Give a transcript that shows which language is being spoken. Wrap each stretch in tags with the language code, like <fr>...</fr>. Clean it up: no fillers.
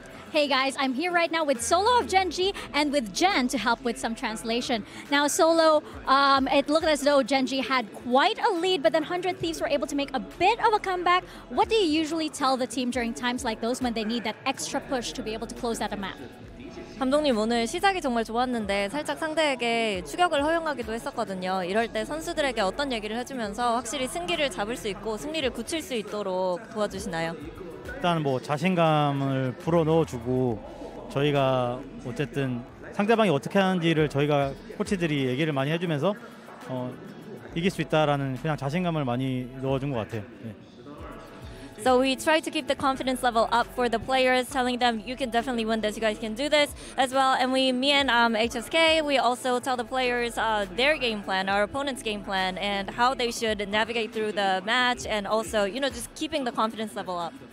<en>Hey guys, I'm here right now with Solo of Gen G and with Jen to help with some translation. Now Solo, it looked as though Gen G had quite a lead, but then 100 Thieves were able to make a bit of a comeback. What do you usually tell the team during times like those when they need that extra push to be able to close out a map?</en> <ko>감독님 오늘 시작이 정말 좋았는데 살짝 상대에게 추격을 허용하기도 했었거든요. 이럴 때 선수들에게 어떤 얘기를 해주면서 확실히 승기를 잡을 수 있고 승리를 굳힐 수 있도록 도와주시나요? 일단 뭐 자신감을 불어넣어주고 저희가 어쨌든 상대방이 어떻게 하는지를 저희가 코치들이 얘기를 많이 해주면서 이길 수 있다라는 그냥 자신감을 많이 넣어준 것 같아요. 예.</ko> <en>So we try to keep the confidence level up for the players, telling them you can definitely win this, you guys can do this as well. And me and HSK, we also tell the players their game plan, our opponent's game plan, and how they should navigate through the match, and also, you know, just keeping the confidence level up.</en>